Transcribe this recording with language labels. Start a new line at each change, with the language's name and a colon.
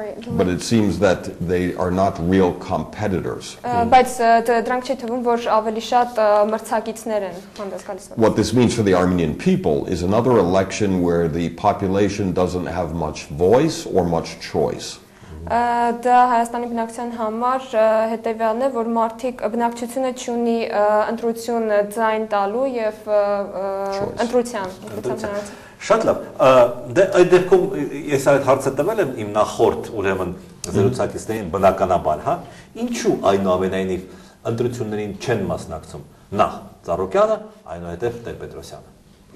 English: But it seems that they are not real competitors.
Armenian: Բայց դրանք չի թվում, որ ավելի շատ մրցակիցներ են հանդես գալիս։
English: What this means for the Armenian people is another election where the population doesn't have much voice or much choice.
Armenian: Դա Հայաստանի բնակչության համար հետևյալն է, որ մարդիկ բնակչությունը չունի ընտրություն ձայն տալու եւ ընտրության։ Շատ լավ։ Դե այդ դեպքում ես այդ հարցը տվել եմ իմ նախորդ ուրեմն զրուցակիցներին բնականաբար, հա։ Ինչու այնուամենայնիվ ընտրություններին չեն մասնակցում նախ Ծառուկյանը, այնուհետեւ Տեր Պետրոսյանը։